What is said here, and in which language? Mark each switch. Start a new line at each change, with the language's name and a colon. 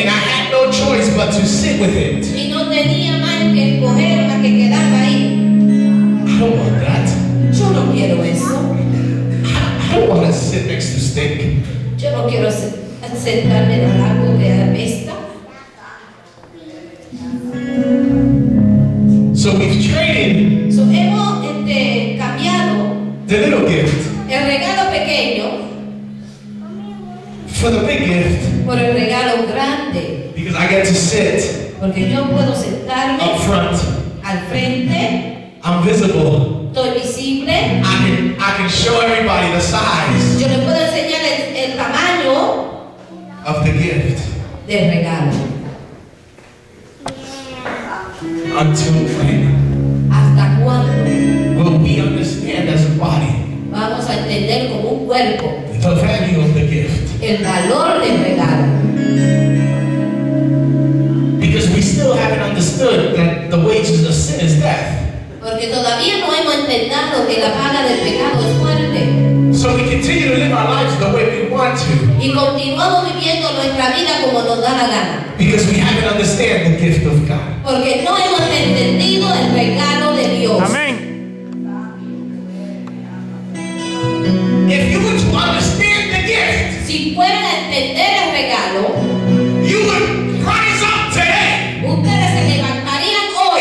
English: And I had no choice but to sit with it.
Spanish: Y no tenía más que escoger más que quedarme ahí.
English: I don't want that.
Spanish: Yo no quiero eso.
English: I don't want to sit next to stick.
Spanish: Yo no quiero sentarme en el árbol de la pesta.
English: So we've traded.
Spanish: So hemos cambiado.
English: The little gift.
Spanish: El regalo pequeño.
English: For the big gift.
Spanish: Por el regalo grande.
English: Because I get to sit.
Spanish: Porque yo puedo sentarme.
English: Up front.
Spanish: Al frente.
English: I'm visible.
Spanish: Estoy visible.
English: I can show everybody the size.
Spanish: Yo le puedo enseñar el tamaño.
English: Of the gift.
Spanish: de regalo.
English: Until when?
Spanish: ¿Hasta cuándo?
English: Will we understand as a body?
Spanish: Vamos a entender como un cuerpo.
English: The value of the gift.
Spanish: El valor del regalo.
English: Because we still haven't understood that the wages of sin is death.
Spanish: Porque todavía no hemos entendido que la paga del pecado es muerte.
English: So we continue to live our lives the way we want to.
Spanish: Y continuamos viviendo nuestra vida como nos da la gana.
English: Because we haven't understood the gift of God.
Spanish: Porque no hemos entendido el regalo de Dios. Amén.
English: If you were to understand the gift,
Spanish: si fueran a entender el regalo,
English: you would rise up today.
Spanish: Ustedes se levantarían hoy.